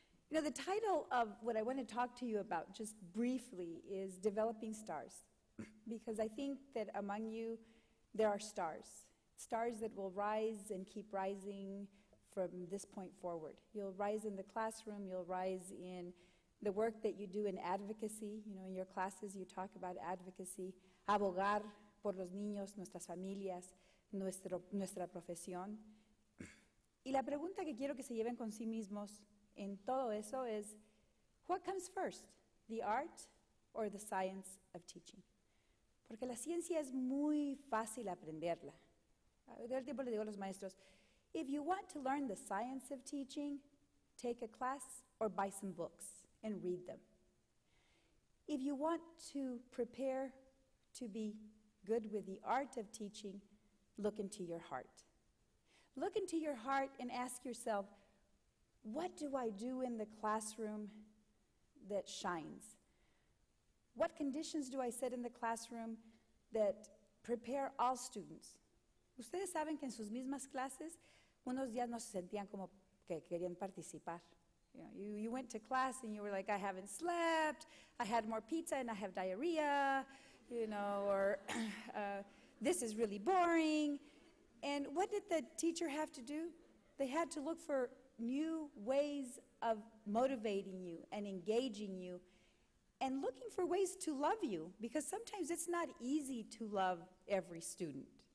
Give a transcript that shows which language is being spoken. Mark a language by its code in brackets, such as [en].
[en] You know, the title of what I want to talk to you about just briefly is Developing Stars, because I think that among you, there are stars, stars that will rise and keep rising from this point forward. You'll rise in the classroom, you'll rise in the work that you do in advocacy. You know, in your classes you talk about advocacy. [es] Abogar por los niños, nuestras familias, nuestra profesión. Y la pregunta que quiero que se lleven con sí mismos en todo eso [en] is, what comes first, the art or the science of teaching? [es] Porque la ciencia es muy fácil aprenderla. Todo el tiempo le digo a los maestros, [en] if you want to learn the science of teaching, take a class or buy some books and read them. If you want to prepare to be good with the art of teaching, look into your heart. Look into your heart and ask yourself, what do I do in the classroom that shines? What conditions do I set in the classroom that prepare all students? [es] Ustedes saben que en sus mismas clases, unos días no se sentían como que querían participar. [en] You know, you went to class and you were like, I haven't slept, I had more pizza and I have diarrhea, you know, or this is really boring. And what did the teacher have to do? They had to look for new ways of motivating you and engaging you and looking for ways to love you, because sometimes it's not easy to love every student.